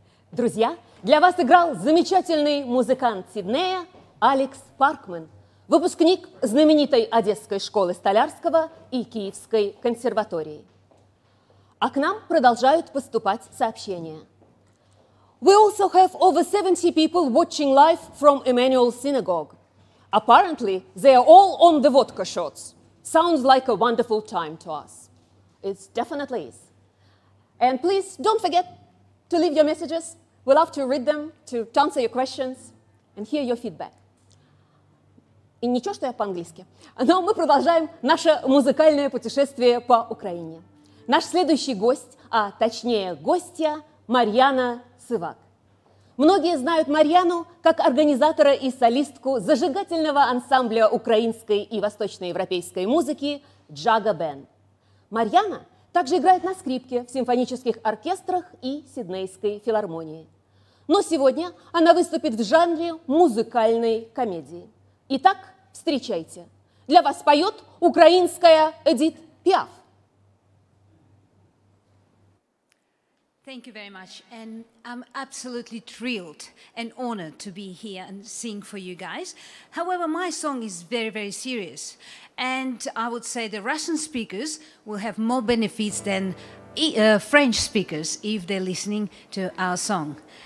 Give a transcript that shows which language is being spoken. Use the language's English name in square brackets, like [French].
[Russian] Друзья, для вас играл замечательный музыкант Сиднея Алекс Паркман, выпускник знаменитой Одесской школы столярского и Киевской консерватории. А к нам продолжают поступать сообщения. [English] We also have over 70 people watching live from Emmanuel Synagogue. Apparently, they are all on the vodka shots. Sounds like a wonderful time to us. It definitely is. And please don't forget to leave your messages. We love to read them, to answer your questions and hear your feedback. [Russian] И ничего, что я по-английски. Но мы продолжаем наше музыкальное путешествие по Украине. Наш следующий гость, а точнее гостья, Марьяна Сывак. Многие знают Марьяну как организатора и солистку зажигательного ансамбля украинской и восточноевропейской музыки «Джага Бен». Марьяна также играет на скрипке в симфонических оркестрах и Сиднейской филармонии. Но сегодня она выступит в жанре музыкальной комедии. Итак, встречайте. Для вас поет украинская Эдит Пиаф. [English] Thank you very much, and I'm absolutely thrilled and honored to be here and sing for you guys. However, my song is very, very serious, and I would say the Russian speakers will have more benefits than French speakers if they're listening to our song.